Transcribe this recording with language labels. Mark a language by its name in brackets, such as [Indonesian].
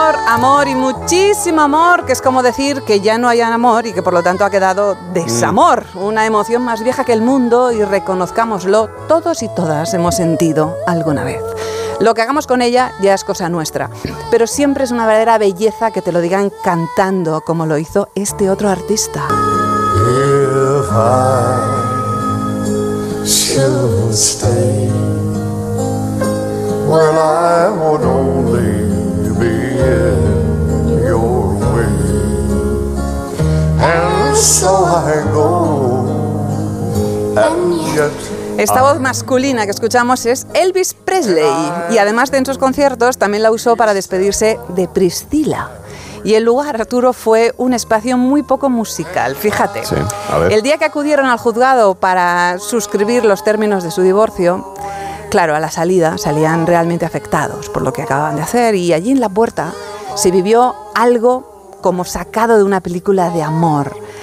[Spanish] Amor y muchísimo amor, que es como decir que ya no hay amor y que por lo tanto ha quedado desamor. Una emoción más vieja que el mundo y reconozcámoslo, todos y todas hemos sentido alguna vez. Lo que hagamos con ella ya es cosa nuestra, pero siempre es una verdadera belleza que te lo digan cantando como lo hizo este otro artista. [English] If I should stay, well, I would only be in your way, and so I go, and yet. [Spanish] Esta voz masculina que escuchamos es Elvis Presley, y además de en sus conciertos también la usó para despedirse de Priscilla. Y el lugar, Arturo, fue un espacio muy poco musical, fíjate. Sí, a ver. El día que acudieron al juzgado para suscribir los términos de su divorcio, claro, a la salida salían realmente afectados por lo que acababan de hacer, y allí en la puerta se vivió algo como sacado de una película de amor.